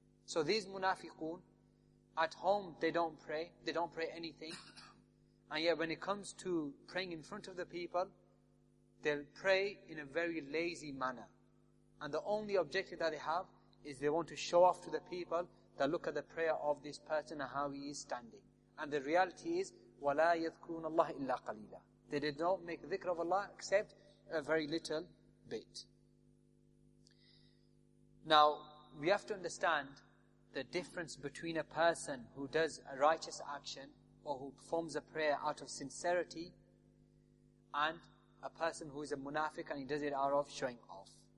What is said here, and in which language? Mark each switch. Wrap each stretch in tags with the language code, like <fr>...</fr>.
<en>So these munafiqun, at home they don't pray, they don't pray anything. And yet when it comes to praying in front of the people, they'll pray in a very lazy manner. And the only objective that they have is they want to show off to the people that look at the prayer of this person and how he is standing. And the reality is,</en> <ar>وَلَا يَذْكُرُونَ اللَّهَ إِلَّا قَلِيلًا.</ar> <en>They did not make dhikr of Allah except a very little bit. Now, we have to understand the difference between a person who does a righteous action or who performs a prayer out of sincerity and a person who is a munafiq and he does it out of showing off.</en>